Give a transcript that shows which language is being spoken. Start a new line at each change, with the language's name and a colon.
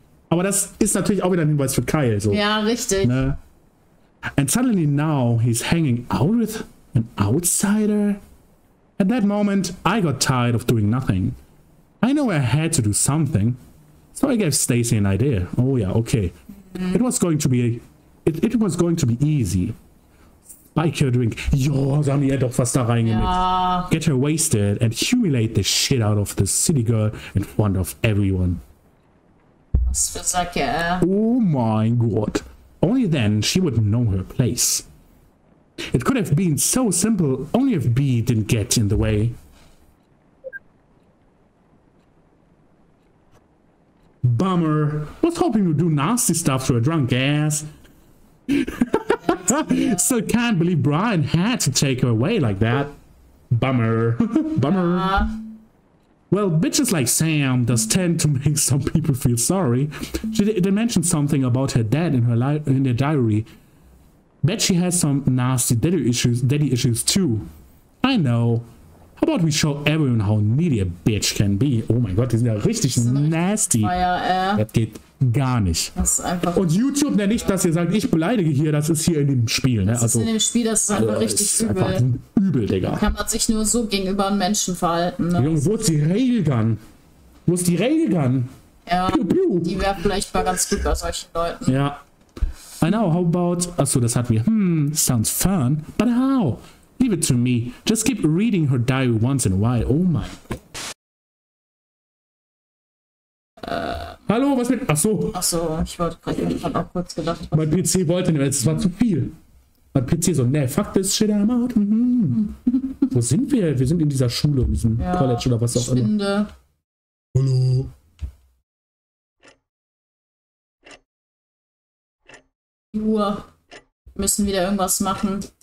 German: Aber das ist natürlich auch wieder ein Hinweis für Kyle, so. Ja, richtig. Ne?
English: And suddenly now he's hanging out with an outsider? At that moment, I got tired of doing nothing. I know I had to do something, so I gave Stacy an idea. Oh yeah, okay. Mm-hmm. It was going to be easy. Spike her drink.
German: Jo, sie haben ja doch was da reingemixt.
English: Get her wasted and humiliate the shit out of the city girl in front of everyone.
German: Was für Sacke. Oh mein Gott.
English: Only then she would know her place. It could have been so simple, only if B didn't get in the way. Bummer. Was hoping to do nasty stuff to a drunk ass. Still can't believe Brian had to take her away like that. Bummer. Bummer. Ja. Well, bitches like Sam does tend to make some people feel sorry. They mentioned something about her dad in her in their diary. Bet she has some nasty daddy issues too. I know. How about we show everyone how needy a bitch can be?
German: Oh mein Gott, die sind ja richtig nasty. Das geht gar nicht. Das ist einfach. Und YouTube, ne, nicht, dass ihr sagt, ich beleidige hier, das ist hier in dem Spiel. Ne? Also, das ist in dem Spiel, das ist einfach richtig ist übel. Einfach übel, Digga. Kann man sich nur so gegenüber einem Menschen verhalten. Ne? Junge, wo ist die Railgun? Wo ist die Railgun? Ja, piu, piu. Die wäre vielleicht mal ganz gut bei solchen Leuten.
English: Ja. I know, how about...
German: Achso, das hat mir...
English: sounds fun. But how? Leave it to me. Just keep reading her diary once in a while. Oh my...
German: Hallo, was mit... Achso. Achso, ich wollte gerade... Mein PC wollte nicht mehr. Es war zu viel. Mein PC so, ne,
English: fuck this shit, I'm out.
German: Wo sind wir? Wir sind in dieser Schule, in diesem College oder was auch immer. Spinde. Hallo. Uhr. Wir müssen wieder irgendwas machen.